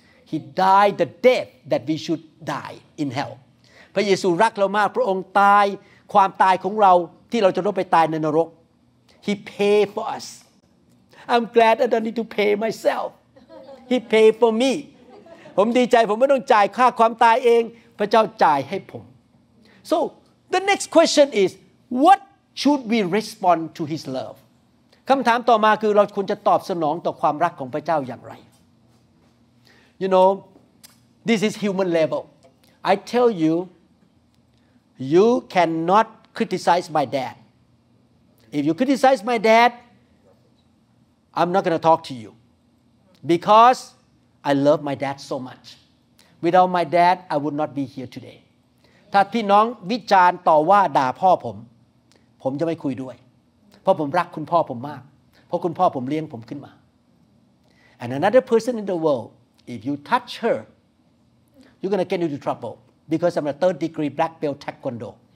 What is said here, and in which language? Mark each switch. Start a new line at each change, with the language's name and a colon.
English: He died the death that we should die in hell.
Thai: พระเยซูรักเรามากพระองค์ตายความตายของเราที่เราจะต้องไปตายในนรก
English: He paid for us. I'm glad I don't need to pay myself. He paid for me.
Thai: ผมดีใจผมไม่ต้องจ่ายค่าความตายเองพระเจ้าจ่ายให้ผม
English: So the next question is what should we respond to his love?
Thai: คำถามต่อมาคือเราควรจะตอบสนองต่อความรักของพระเจ้าอย่างไร
English: You know, this is human level. I tell you, you cannot criticize my dad. If you criticize my dad, I'm not going to talk to you. Because I love my dad so much. Without my dad, I would not be here today.
Thai: ถ้าพี่น้องวิจารณ์ต่อว่าด่าพ่อผมผมจะไม่คุยด้วยเพราะผมรักคุณพ่อผมมากเพราะคุณพ่อผมเลี้ยงผมขึ้นมา
English: And another person in the worldIf you touch her, you're going to get into trouble because I'm a third degree black belt taekwondo.